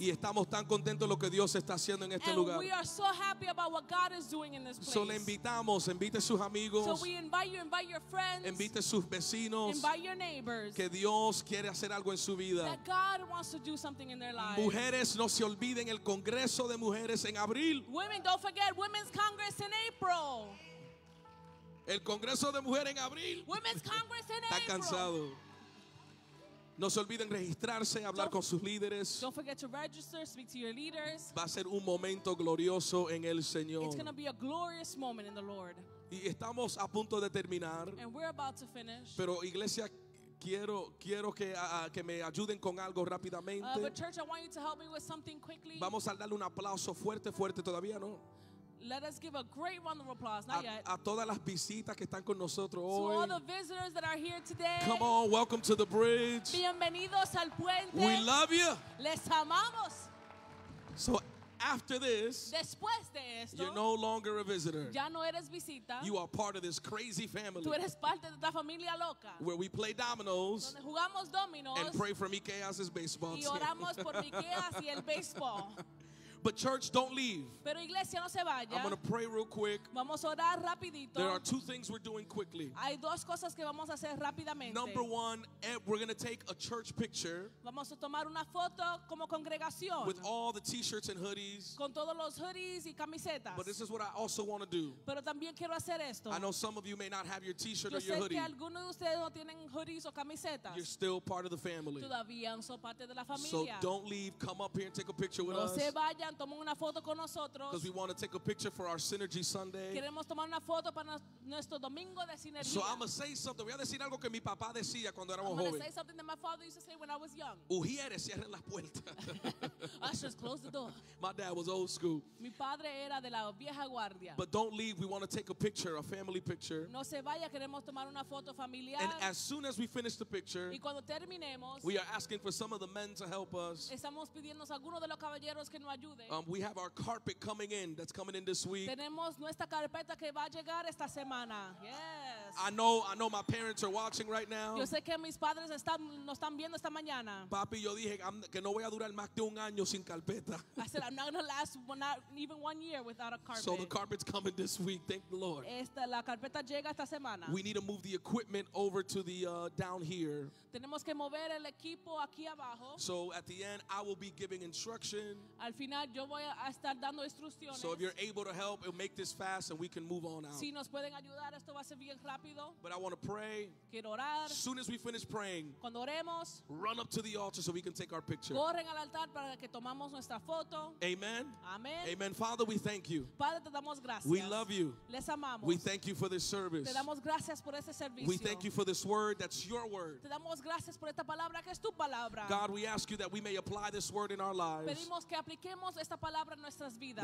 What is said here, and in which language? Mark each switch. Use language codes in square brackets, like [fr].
[es] Y estamos tan contentos lo que Dios está haciendo en este [en] and [es] lugar. [en] And we are so happy about what God is doing in this place. [es] So le invitamos, invite sus amigos. [en] So we invite your friends. [es] Invite sus vecinos. [en] Invite your neighbors. [es] Que Dios quiere hacer algo en su vida. [en] That God wants to do something in their lives. [es] Mujeres, no se olviden el Congreso de Mujeres en abril. [en] Women, don't forget Women's Congress in April. [es] El Congreso de Mujeres en abril. [en] Women's Congress in April. [es] Está cansado. No se olviden registrarse, hablar con sus líderes. [en] Don't forget to register, speak to your leaders. [es] Va a ser un momento glorioso en el Señor. [en] It's going to be a glorious moment in the Lord. [es] Y estamos a punto de terminar. [en] And we're about to finish. [es] Pero iglesia, quiero que me ayuden con algo rápidamente. [en] But church, I want you to help me with something quickly. [es] Vamos a darle un aplauso fuerte, fuerte, todavía no. [en] Let us give a great round of applause, not yet. [es] A todas las visitas que están con nosotros hoy. [en] To all the visitors that are here today. Come on, welcome to the bridge. [es] Bienvenidos al puente. [en] We love you. [es] Les amamos. [en] So after this, [es] después de esto, [en] you're no longer a visitor. [es] Ya no eres visita. [en] You are part of this crazy family. [es] Tú eres parte de esta familia loca. [en] Where we play dominoes. [es] Donde jugamos dominos. [en] And pray for Mikeas' baseball team. [es] Y oramos por Mikeas y el baseball. [en] But church, don't leave. [es] Pero iglesia, no se vaya. [en] I'm going to pray real quick. [es] Vamos a orar rapidito. [en] There are two things we're doing quickly. [es] Hay dos cosas que vamos a hacer rápidamente. [en] Number one, we're going to take a church picture. [es] Vamos a tomar una foto como congregación. [en] With all the t-shirts and hoodies. [es] Con todos los hoodies y camisetas. [en] But this is what I also want to do. [es] Pero también quiero hacer esto. [en] I know some of you may not have your t-shirt [es] yo [en] or your hoodie. [es] Yo sé que algunos de ustedes no tienen hoodies o camisetas. [en] You're still part of the family. [es] Todavía son parte de la familia. [en] So don't leave. Come up here and take a picture with [es] no [en] us. [es] No se vayan. Tomó una foto con nosotros. [en] Because we want to take a picture for our Synergy Sunday. [es] Queremos tomar una foto para nuestro domingo de sinergia. [en] So I'm gonna say something. [es] Voy a decir algo que mi papá decía cuando éramos jóvenes. [en] I'm gonna say something that my father used to say when I was young. [es] Ujieres, cierren las puertas. [en] Ushers, close the door. My dad was old school. [es] Mi padre era de la vieja guardia. [en] But don't leave. We want to take a picture, a family picture. [es] No se vaya. Queremos tomar una foto familiar. [en] And as soon as we finish the picture, [es] y cuando terminemos, [en] we are asking for some of the men to help us. [es] Estamos pidiendo a algunos de los caballeros que nos ayuden. [en] We have our carpet coming in. That's coming in this week. [es] Tenemos nuestra carpeta que va a llegar esta semana. [en] Yes. I know my parents are watching right now. [es] Yo sé que mis padres nos están viendo esta mañana. Papi, yo dije que no voy a durar más de un año sin carpeta. [en] I said I'm not going to last not even 1 year without a carpet. So the carpet's coming this week. Thank the Lord. [es] La carpeta llega esta semana. [en] We need to move the equipment over to the down here. [es] Tenemos que mover el equipo aquí abajo. [en] So at the end I will be giving instruction. [es] Al final yo voy a estar dando instrucciones. [en] So if you're able to help, make this fast and we can move on out. [es] Si nos pueden ayudar, esto va a ser bien rápido. [en] But I want to pray. [es] Quiero orar. [en] As soon as we finish praying, [es] cuando oremos, [en] run up to the altar so we can take our picture. [es] Corren al altar para que tomamos nuestra foto. [en] Amen. Amen. Amen. Father, we thank you. [es] Padre, te damos gracias. [en] We love you. [es] Les amamos. [en] We thank you for this service. [es] Te damos gracias por este servicio. [en] We thank you for this word that's your word. [es] Te damos gracias por esta palabra que es tu palabra. [en] God, we ask you that we may apply this word in our lives. [es] Pedimos que apliquemos esta palabra en nuestras vidas.